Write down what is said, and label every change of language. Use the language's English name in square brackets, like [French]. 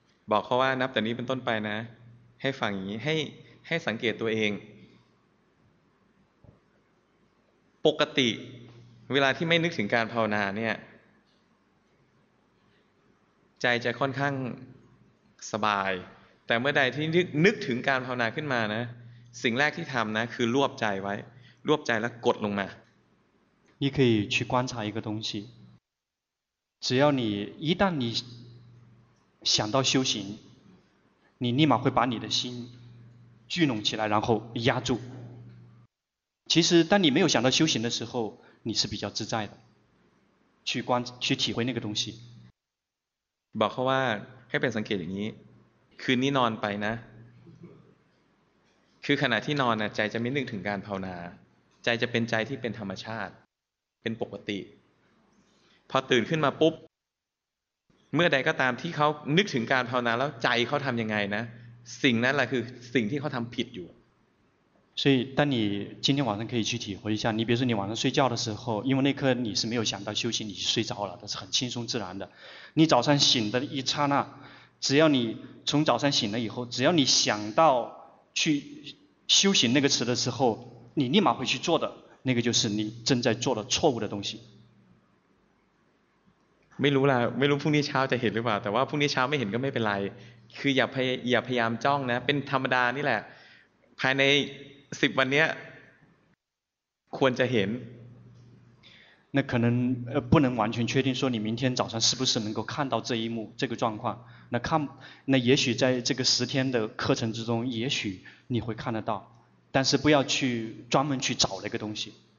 [Thai] บอกเขาว่านับแต่นี้เป็นต้นไปนะให้ฟังอย่างนี้ให้สังเกตตัวเองปกติเวลาที่ไม่นึกถึงการภาวนาเนี่ยใจจะค่อนข้างสบายแต่เมื่อใดที่นึกถึงการภาวนาขึ้นมานะสิ่งแรกที่ทำนะคือรวบใจไว้รวบใจแล้วกดลงมา [Chinese] 你可以去观察一个东西只要你一旦你想到修行你立马会把你的心聚拢起来然后压住其实当你没有想到修行的时候你是比较自在的去体会那个东西 [Thai] บอกเขาว่าให้เป็นสังเกตอย่างนี้คืนนี้นอนไปนะคือขณะที่นอนน่ะใจจะไม่นึกถึงการภาวนาใจจะเป็นใจที่เป็นธรรมชาติเป็นปกติพอตื่นขึ้นมาปุ๊บเมื่อใดก็ตามที่เขานึกถึงการภาวนาแล้วใจเขาทำยังไงนะสิ่งนั้นแหละคือสิ่งที่เขาทำผิดอยู่ [Chinese] 所以当你今天晚上可以去体会一下你比如说你晚上睡觉的时候因为那刻你是没有想到休息你去睡着了但是很轻松自然的你早上醒的一刹那只要你从早上醒了以后只要你想到去修行那个词的时候你立马会去做的那个就是你正在做的错误的东西 [Thai] ไม่รู้ล่ะไม่รู้พรุ่งนี้เช้าจะเห็นหรือเปล่าแต่ว่าพรุ่งนี้เช้าไม่เห็นก็ไม่เป็นไรคืออย่าพยายามจ้องนะเป็นธรรมดานี่แหละภายใน10วันเนี้ยควรจะเห็น [Chinese] 那可能不能完全确定说你明天早上是不是能够看到这一幕这个状况那看那也许在这个十天的课程之中也许你会看得到但是不要去专门去找那个东西